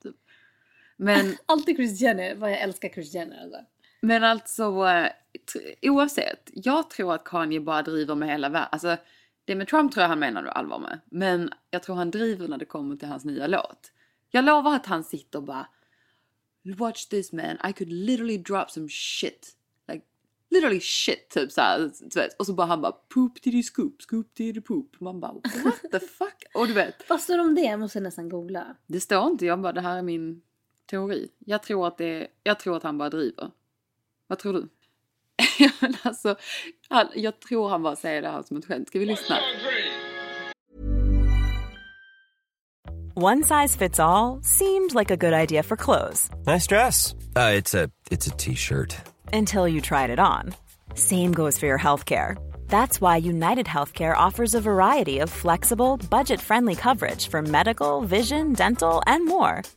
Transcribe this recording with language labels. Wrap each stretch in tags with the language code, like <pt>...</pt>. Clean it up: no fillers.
<sv>Typ. Men, alltid Kris Jenner, vad jag älskar Kris Jenner. Alltså. Men alltså, oavsett, jag tror att Kanye bara driver med hela världen. Alltså, det med Trump tror jag han menar allvar med. Men jag tror han driver när det kommer till hans nya låt. Jag lovar att han sitter och bara...</sv> <en>Watch this man, I could literally drop some shit. Like, literally shit,</en> <sv>typ såhär. Och så bara han bara...</sv> <en>Poop titty scoop, scoop titty poop.</en> <sv>Man bara,</sv> <en>what the fuck?</en> <sv>Och du vet... Vad står om det? Jag måste nästan googla. Det står inte, jag bara, det här är min teori. Jag tror att det är, jag tror att han bara driver. Vad tror du? Alltså... Jag tror han bara säger det här som ett skämt. Ska vi lyssna?</sv> <en>One size fits all seemed like a good idea for clothes. Nice dress. It's a t-shirt. Until you tried it on. Same goes for your healthcare. That's why United Healthcare offers a variety of flexible, budget-friendly coverage for medical, vision, dental, and more.</en>